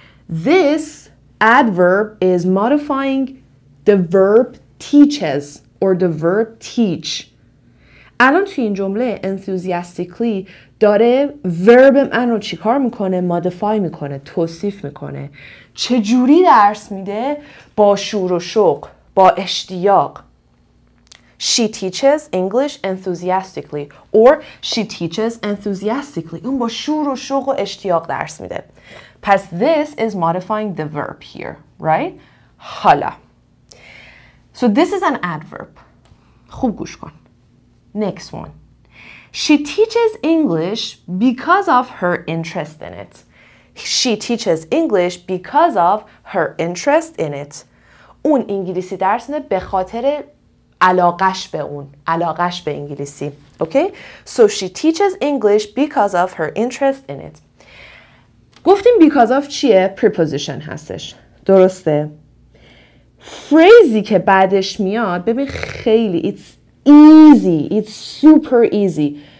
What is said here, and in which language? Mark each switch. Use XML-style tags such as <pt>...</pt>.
<en>This adverb is modifying the verb teaches or the verb teach.</en> <fa>الان توی این جمله enthusiastically داره verb من رو چیکار میکنه؟ modify میکنه، توصیف میکنه. چجوری درس میده؟ با شور و شوق، با اشتیاق.</fa> <en>She teaches English enthusiastically or she teaches enthusiastically.</en> <fa>اون با شور و شوق و اشتیاق درس میده.</fa> <en>پس this is modifying the verb here, right? حالا. So this is an adverb.</en> <fa>خوب گوش کن.</fa> <en>Next one. She teaches English because of her interest in it. She teaches English because of her interest in it.</en> <fa>اون انگلیسی درس میده به خاطر علاقش به اون، علاقش به انگلیسی.</fa> <en>Okay? So she teaches English because of her interest in it.</en> <fa>گفتیم because of چیه؟ preposition هستش. درسته. فریزی که بعدش میاد، ببین خیلی</fa> <en>it's easy, it's super easy.</en>